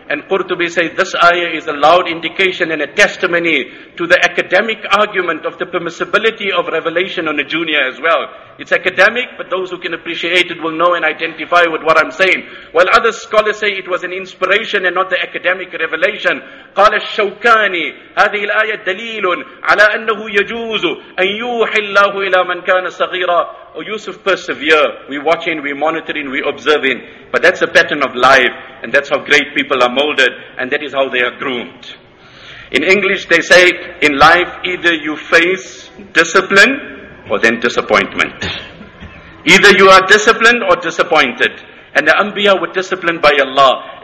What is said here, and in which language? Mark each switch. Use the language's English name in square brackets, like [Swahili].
[English] And Qurtubi said, this ayah is a loud indication and a testimony to the academic argument of the permissibility of revelation on a junior as well. It's academic, but those who can appreciate it will know and identify with what I'm saying. While other scholars say it was an inspiration and not the academic revelation. [Arabic] قال الشوكاني هذه الآية دليل على أنه يجوز أن يوحي الله إلى من كان صغيرا. [English] Oh, Yusuf, persevere. We watching, we monitoring, we observing. But that's a pattern of life, and that's how great people are molded, and that is how they are groomed. In English, they say, in life, either you face discipline or then disappointment. Either you are disciplined or disappointed. And the Anbiya were disciplined by Allah.